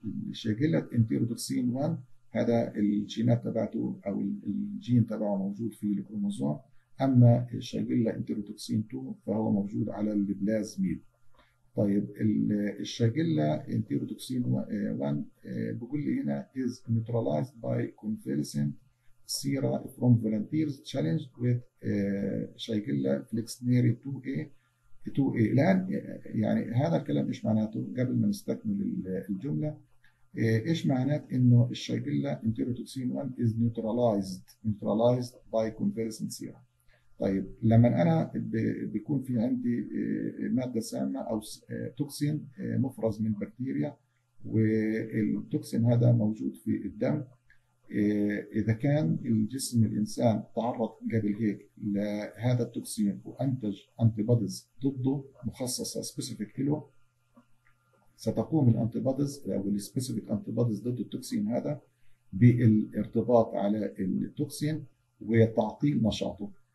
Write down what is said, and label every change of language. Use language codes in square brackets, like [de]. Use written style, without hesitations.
[ar] الشيجيلا انتيروتوكسين 1 هذا الجينات تبعته او الجين تبعه موجود في الكروموزوم، اما الشيجيلا انتيروتوكسين 2 فهو موجود على البلازميد. طيب الشاجيلا انتيروتوكسين 1 بيقول لي هنا [en] is neutralized by convalescent sera from volunteers challenged with Shigella flexneri 2A. [ar] الان يعني هذا الكلام ايش معناته قبل ما نستكمل الجمله؟ ايش معنات انه الشاجيلا انتيروتوكسين 1 [en] is neutralized by convalescent sera؟ [ar] طيب لما انا بيكون في عندي ماده سامه او توكسين مفرز من بكتيريا، والتوكسين هذا موجود في الدم، اذا كان الجسم الانسان تعرض قبل هيك لهذا التوكسين وانتج انتي بوديز ضده مخصصه سبيسيفيك له، ستقوم الانتي بوديز او السبيسيفيك انتي بوديز ضد التوكسين هذا بالارتباط على التوكسين وتعطيل نشاطه.